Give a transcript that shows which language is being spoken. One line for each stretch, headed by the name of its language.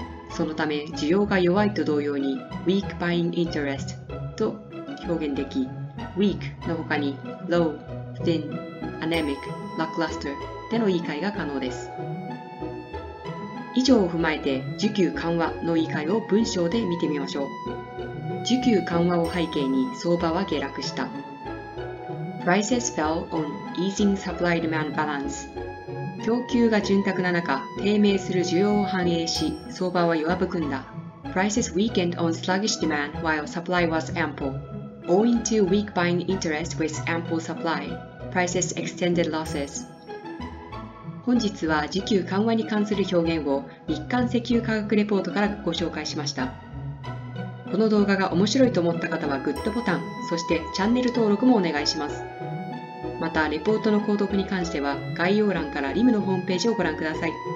Japanese: そのため、需要が弱いと同様に、
English: weak buying interest
Japanese: と表現でき、weak の他に、
English: low, thin, anemic, lackluster
Japanese: での言い換えが可能です。以上を踏まえて、需給緩和の言い換えを文章で見てみましょう。需給緩和を背景に相場は下落した。
English: Prices fell on easing supply-demand balance.
Japanese: 供給が潤沢な中、低迷する需要を反映し、相場は弱含んだ。
English: Prices weakened on sluggish demand while supply was ample. Owing to weak buying interest with ample supply, prices extended losses.
Japanese: 本日は需給緩和に関する表現を日韓石油価格レポートからご紹介しました。この動画が面白いと思った方はグッドボタン、そしてチャンネル登録もお願いします。また、レポートの購読に関しては概要欄からリムのホームページをご覧ください。